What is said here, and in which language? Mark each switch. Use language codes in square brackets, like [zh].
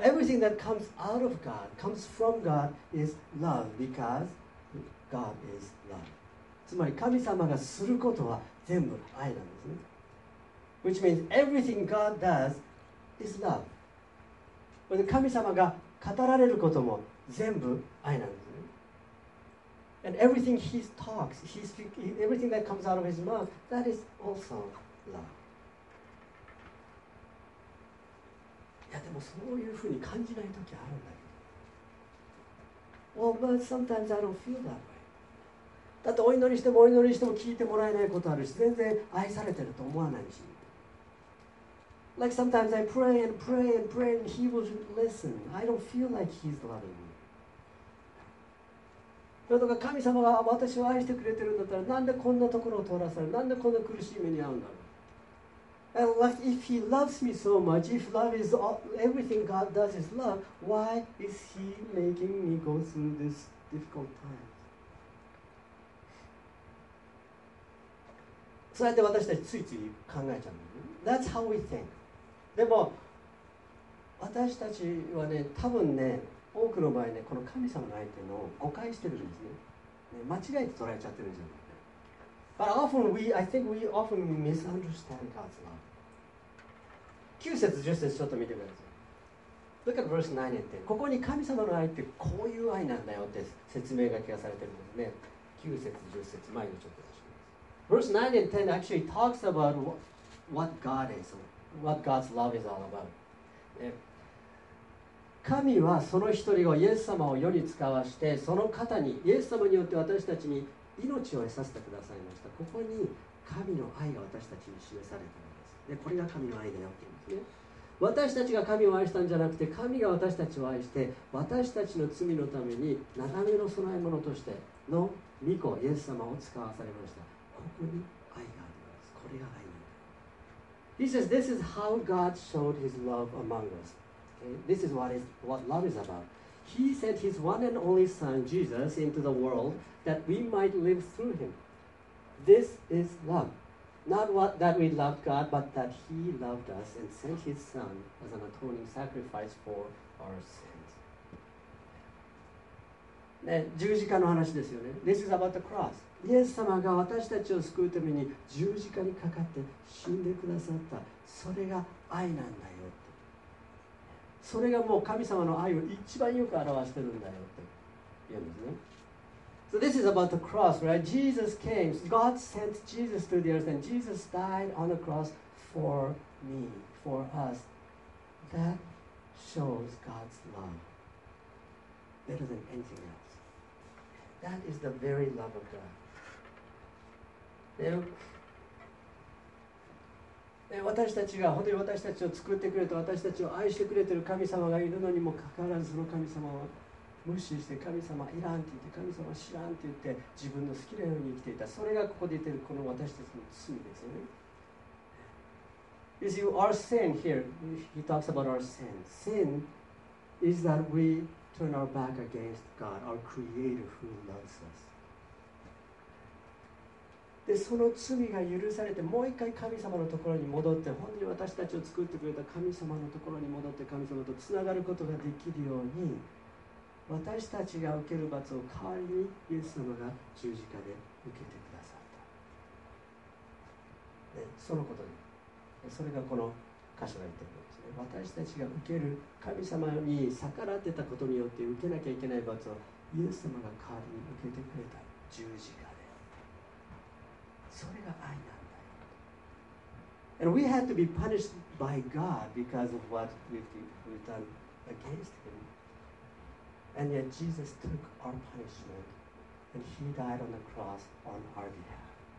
[en] So everything that comes out of God, comes from God, is love because God is love. [ja] つまり神様がすることは全部愛なんですね。 [en] Which means everything God does is love. [ja] 神様が語られることも全部愛なんですね。 [en] And everything he talks, he speaks, everything that comes out of his mouth, that is also love. [ja] いやでもそういうふうに感じないときあるんだけど。 [en] Well, but sometimes I don't feel that way. [ja] だってお祈りしてもお祈りしても聞いてもらえないことあるし、全然愛されてると思わないし。 [en] Like sometimes I pray and pray and pray and he will listen. I don't feel like he's loving me. [ja] だとか神様が私を愛してくれてるんだったら、なんでこんなところを通らされる、なんでこんな苦しい目に遭うんだろう。 [en] And like, if he loves me so much, if love is all, everything God does is love, why is he making me go through this difficult time? [ja] そうやって私たちついつい考えちゃうんだよね。 [en] That's how we think. [ja] でも、私たちはね、多分ね、多くの場合ね、この神様の愛っていうのを誤解してるんですね。ね、間違えて捉えちゃってるんじゃない。 [en] But often I think we often misunderstand God's love. [ja] 9節10節ちょっと見てください。 [en] Look at verse 9 and 10. [ja] ここに神様の愛ってこういう愛なんだよって説明書きがされてるんですね。 9節10節前にちょっと出します。 [en] Verse 9 and 10 actually talks about what God is, what God's love is all about.、 [ja] ね、神はその一人をイエス様を世に遣わして、その方にイエス様によって私たちに命を得させてくださいました。ここに神の愛が私たちに示されたのです。でこれが神の愛だよって。私たちが神を愛したんじゃなくて、神が私たちを愛して、私たちの罪のためになだめの供え物としての御子イエス様を使わされました。ここに愛があります。これが愛なんだ。 [en] He says, this is how God showed his love among us. Okay? This is what love is about. He sent his one and only son, Jesus, into the world that we might live through him. This is love. Not what, that we loved God, but that he loved us and sent his son as an atoning sacrifice for our sins. [ja] ね、十字架の話ですよね。 [en] This is about the cross. [ja] イエス様が私たちを救うために十字架にかかって死んでくださった。それが愛なんだよって。それがもう神様の愛を一番よく表してるんだよって言うんですね。 [en] So this is about the cross, right? Jesus came. God sent Jesus to the earth and Jesus died on the cross for me, for us. That shows God's love. Better than anything else. That is the very love of God. [ja] で、私たちが本当に私たちを作ってくれて私たちを愛してくれている神様がいるのにもかかわらずその神様は無視して神様いらんって言って神様知らんって言って自分の好きなように生きていた。それがここで言っているこの私たちの罪ですよね。 [en] You see, our sin here, he talks about our sin. Sin is that weturn our back against God, our Creator who loves us. [ja] で、その罪が許されて、もう一回神様のところに戻って、本当に私たちを作ってくれた神様のところに戻って、神様とつながることができるように、私たちが受ける罰を代わりにイエス様が十字架で受けてくださった。で、そのことに、それがこの箇所が言っている。私たちが受ける神様に逆らってたことによって受けなきゃいけない罰をイエス様が代わりに受けてくれた十字架で、それが愛なんだよ。 [en] And we had to be punished by God because of what we've done against him. And yet Jesus took our punishment and he died on the cross on our behalf.